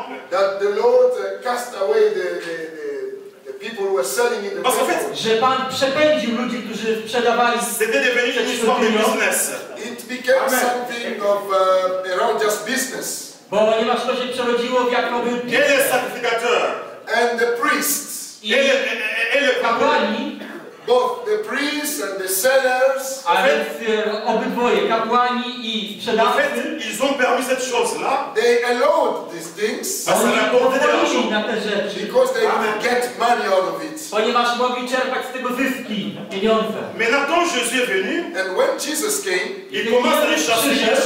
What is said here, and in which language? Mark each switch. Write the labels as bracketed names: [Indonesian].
[English] that the Lord cast away the people who were selling in the temple. [Polish] Że Pan przepędził ludzi, którzy sprzedawali. [English] It became something of around just business. [Polish] Bo ponieważ to się przerodziło w jakoby [French] sacrificateur. [English] And the priests. [Polish] I kapłani. [English] Both the priests and the sellers. [Polish] A więc obydwoje, kapłani i sprzedawcy. [French] Ils ont permis cette chose là. [English] They allowed these things. Because they could get money out of it. [Polish] Ponieważ mogli czerpać z tego zyski, pieniądze. [French] Mais là, quand Jésus est venu, [English] and when Jesus came, [French] il commence à les chasser.